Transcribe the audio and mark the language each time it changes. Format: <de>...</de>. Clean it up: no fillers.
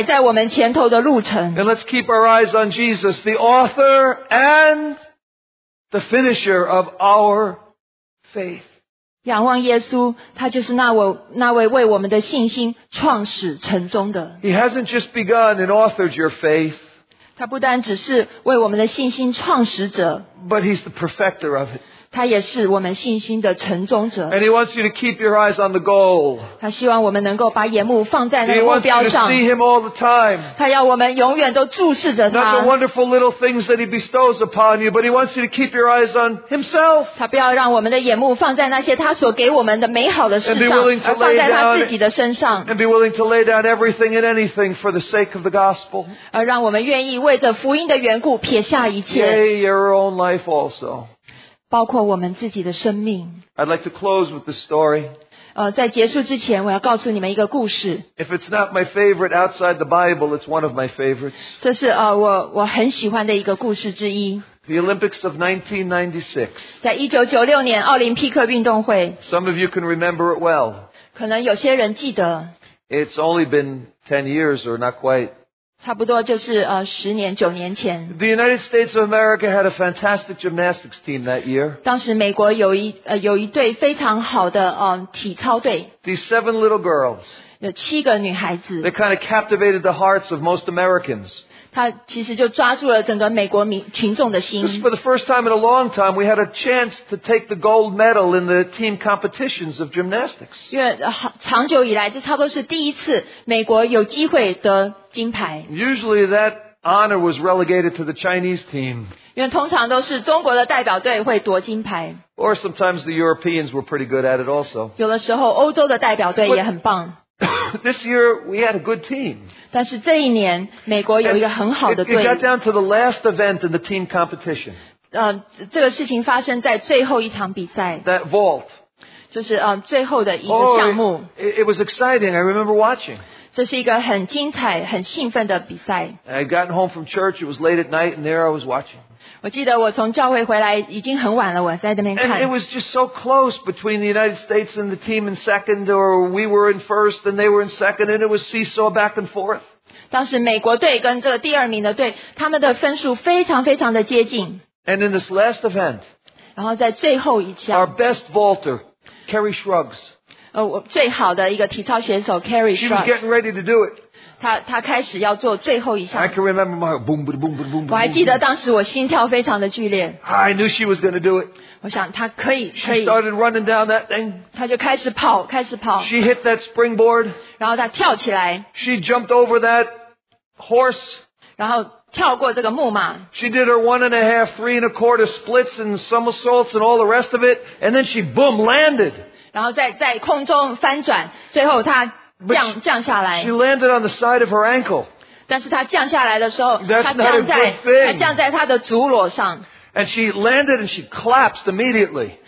<en>And let's keep our eyes on Jesus, the author and the finisher of our faith.</en> <zh>仰望耶稣，他就是那位为我们的信心创始成终的。</zh> <en>He hasn't just begun and authored your faith.</en> <zh>他不单只是为我们的信心创始者。</zh> <en>But he's the perfecter of it.</en> <zh>他也是我们信心的成终者。</zh> <en>And he wants you to keep your eyes on the goal.</en> <zh>他希望我们能够把眼目放在那个目标上。</zh> <en>He wants you to see him all the time.</en> <zh>他要我们永远都注视着他。</zh> <en>Not the wonderful little things that he bestows upon you, but he wants you to keep your eyes on himself.</en> <zh>他不要让我们的眼目放在那些他所给我们的美好的事上，而放在他自己的身上。</zh> <en>And be willing to lay down everything and anything for the sake of the gospel.</en> <zh>而让我们愿意为着福音的缘故撇下一切。</zh> <en>Yea, your own life also.</en> <zh>包括我们自己的生命。</zh> <en>I'd like to close with the story.</en> <zh>在结束之前，我要告诉你们一个故事。</zh> <en>If it's not my favorite outside the Bible, it's one of my favorites.</en> <zh>这是我很喜欢的一个故事之一。</zh> <en>The Olympics of 1996.</en> <zh>在1996年奥林匹克运动会。</zh> <en>Some of you can remember it well.</en> <zh>可能有些人记得。</zh> <en>It's only been 10 years or not quite.</en> <zh>差不多就是十年九年前。</zh> <en>The United States of America had a fantastic gymnastics team that year.</en> <zh>当时美国有一队非常好的体操队。</zh> <en>These seven little girls.</en> <zh>有七个女孩子。</zh> <en>They kind of captivated the hearts of most Americans.</en> <zh>她其实就抓住了整个美国群众的心。</zh> <en>This is for the first time in a long time we had a chance to take the gold medal in the team competitions of gymnastics.</en> <zh>因为长久以来，这差不多是第一次美国有机会得。</zh> <en>Usually that honor was relegated to the Chinese team.</en> <zh>因为通常都是中国的代表队会夺金牌。</zh> <en>Or sometimes the Europeans were pretty good at it also.</en> <zh>有的时候欧洲的代表队也很棒。</zh> <en>This year we had a good team.</en> <zh>但是这一年美国有一个很好的队。</zh> <en>It got down to the last event in the team competition.</en> <zh>这个事情发生在最后一场比赛。</zh> <en>That vault.</en> <zh>就是最后的一个项目。</zh> <en>It was exciting. I remember watching.</en> <zh>这是一个很精彩、很兴奋的比赛。</zh> <en>I had gotten home from church. It was late at night, and there I was watching.</en> <zh>我记得我从教会回来已经很晚了，我在那边看。</zh> <en>And it was just so close between the United States and the team in second, or we were in first and they were in second, and it was seesaw back and forth.</en> <zh>当时美国队跟这个第二名的队，他们的分数非常非常的接近。</zh> <en>And in this last event,</en> <zh>然后在最后一项</zh> <en>，our best vaulter, Kerry Shrugs.</en> <zh>最好的一个体操选手 Carrie</zh> <en>Shrugs. She was getting ready to do it.</en> <zh>她开始要做最后一项。</zh> <en>I can remember my boom, boom, boom, boom, boom.</en> <zh>我还记得当时我心跳非常的剧烈。</zh> <en>I knew she was going to do it.</en> <zh>我想她可以。</zh> <en>She started running down that thing.</en> <zh>她就开始跑，开始跑。</zh> <en>She hit that springboard.</en> <zh>然后她跳起来。</zh> <en>She jumped over that horse.</en> <zh>然后跳过这个木马。</zh> <en>She did her one and a half, three and a quarter splits and somersaults and all the rest of it. And then she, boom, landed.</en> <zh>然后在空中翻转，最后她降下来。</zh> <en>She landed on the side of her ankle.</en> <zh>但是她降下来的时候，她降在她的足裸上。</zh> <en>And she landed and she collapsed immediately.</en>